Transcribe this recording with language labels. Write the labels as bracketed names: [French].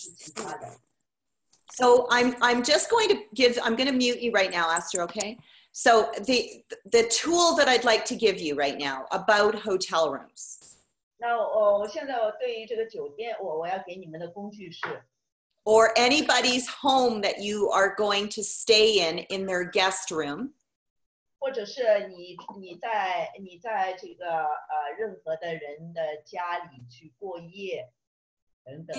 [Chinese] 有益的吗？这是可以贡献的吗？或者是其他的？So [English] I'm just going to give, I'm going to mute you right now, Esther, okay? So the tool that I'd like to give you right now about hotel rooms. [Chinese] 那我现在对于这个酒店，我要给你们的工具是 [English] Or anybody's home that you are going to stay in their guest room. [Chinese] 或者是你在这个任何的人的家里去过夜，等等。